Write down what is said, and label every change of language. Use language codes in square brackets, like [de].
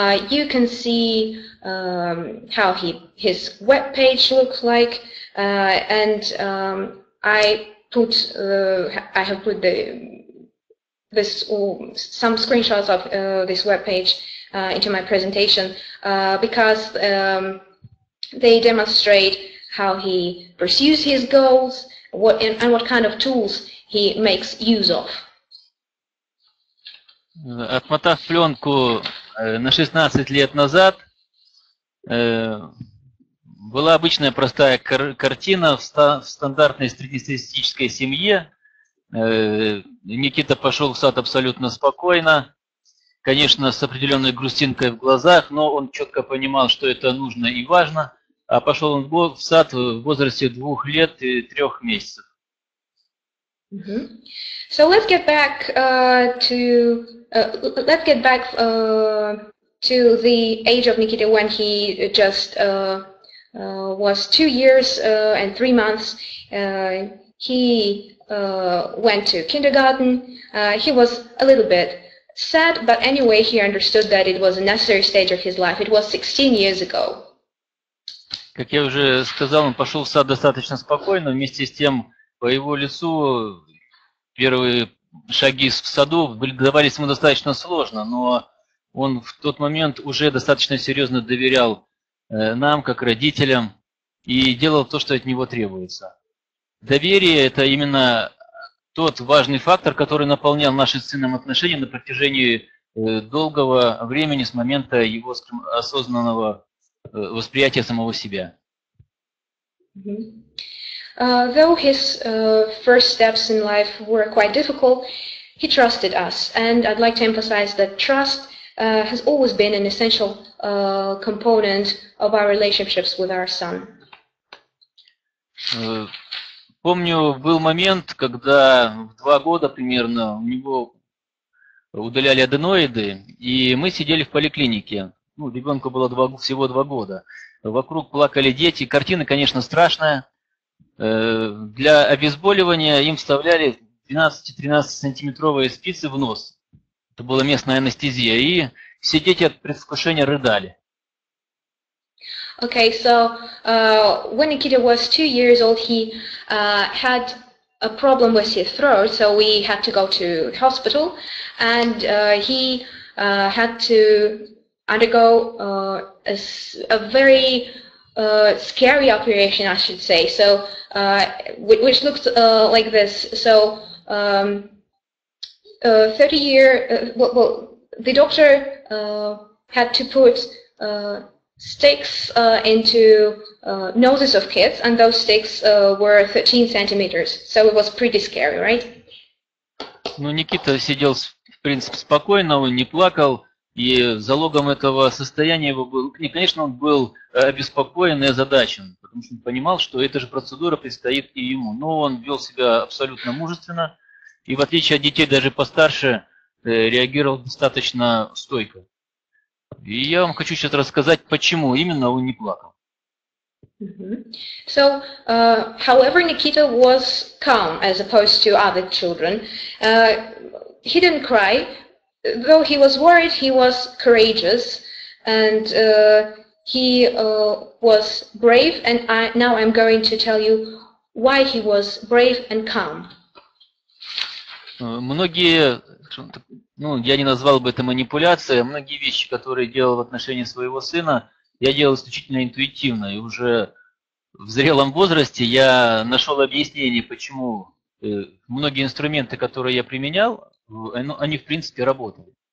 [en] You can see how his web page looks like, and I have put some screenshots of this web page into my presentation because they demonstrate how he pursues his goals, what kind of tools he makes use of. [ru] Отмотав пленку на 16 лет назад, была обычная простая картина в стандартной среднестатистической семье. Никита пошел в сад абсолютно спокойно, конечно, с определенной грустинкой в глазах, но он четко понимал, что это нужно и важно. А пошел он в сад в возрасте 2 лет и 3 месяцев. [en] So let's get back to the age of Nikita when he just was 2 years and 3 months. He went to kindergarten. He was a little bit sad, but anyway, he understood that it was a necessary stage of his life. It was 16 years ago. [ru] Как я уже сказал, он пошел в сад достаточно спокойно, вместе с тем по его лицу первые шаги в саду давались ему достаточно сложно, но он в тот момент уже достаточно серьезно доверял нам, как родителям, и делал то, что от него требуется. Доверие – это именно тот важный фактор, который наполнял наши с сыном отношения на протяжении долгого времени с момента его осознанного восприятие самого себя. [en] Though his first steps in life were quite difficult, He trusted us, and I'd like to emphasize that trust has always been an essential component of our relationships with our son. [ru] Помню, был момент, когда в 2 года примерно у него удаляли аденоиды, и мы сидели в поликлинике. Ну, ребенку было всего 2 года. Вокруг плакали дети. Картина, конечно, страшная. Для обезболивания им вставляли 12-13-сантиметровые спицы в нос. Это была местная анестезия. И все дети от предвкушения рыдали. [en] Okay, so when Nikita was 2 years old, he had a problem with his throat, so we had to go to hospital, and he had to undergo a very scary operation, I should say, so which looks like this. So 30 year, the doctor had to put sticks into noses of kids, and those sticks were 13 centimeters, so it was pretty scary, right? [ru] Ну, Никита сидел, в принципе, спокойно, он не плакал, и залогом этого состояния его был, и, конечно, он был обеспокоен и озадачен, потому что он понимал, что эта же процедура предстоит и ему, но он вел себя абсолютно мужественно, и в отличие от детей, даже постарше, реагировал достаточно стойко. И я вам хочу сейчас рассказать, почему именно он не плакал. [en] So, however, Nikita was calm as opposed to other children. He didn't cry. Though he was worried, he was courageous. And he was brave. And now I'm going to tell you why he was brave and calm. [ru] Многие, ну, я не назвал бы это манипуляцией, многие вещи, которые делал в отношении своего сына, я делал исключительно интуитивно. И уже в зрелом возрасте я нашел объяснение, почему многие инструменты, которые я применял, они в принципе работали.